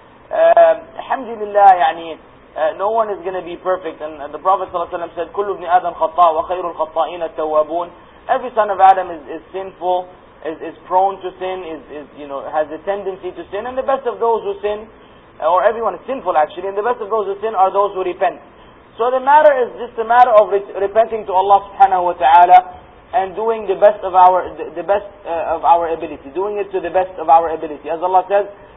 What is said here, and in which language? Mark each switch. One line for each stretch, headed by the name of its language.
English: Alhamdulillah, no one is going to be perfect.
Arabic: And the Prophet ﷺ said, كُلُّ ابْنِ آدَمْ خَطَّاءُ وَخَيْرُ الْخَطَّائِينَ التَّوَّابُونَ.
English: Every son of Adam is sinful, is prone to sin, has a tendency to sin, and the best of those who sin, or everyone is sinful actually, and the best of those who sin are those who repent. So the matter is just a matter of repenting to Allah subhanahu wa ta'ala and doing the best of our ability, doing it to the best of our ability. As Allah says,